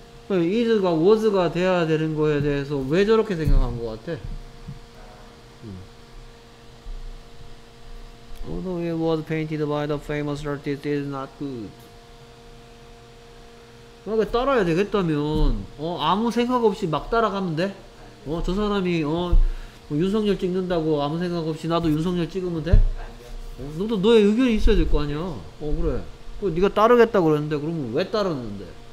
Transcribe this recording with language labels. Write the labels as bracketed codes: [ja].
[ko] is가 was가 돼야 되는 거에 대해서 왜 저렇게 생각한 것 같아? [en] although it was painted by the famous artist, it is not good. [ko] 만약에 따라야 되겠다면, 아무 생각 없이 막 따라가면 돼? 저 사람이, 윤석열 찍는다고 아무 생각 없이 나도 윤석열 찍으면 돼? 너도 너의 의견이 있어야 될 거 아니야? 그래. 네가 따르겠다 그랬는데 그러면 왜 따르는데?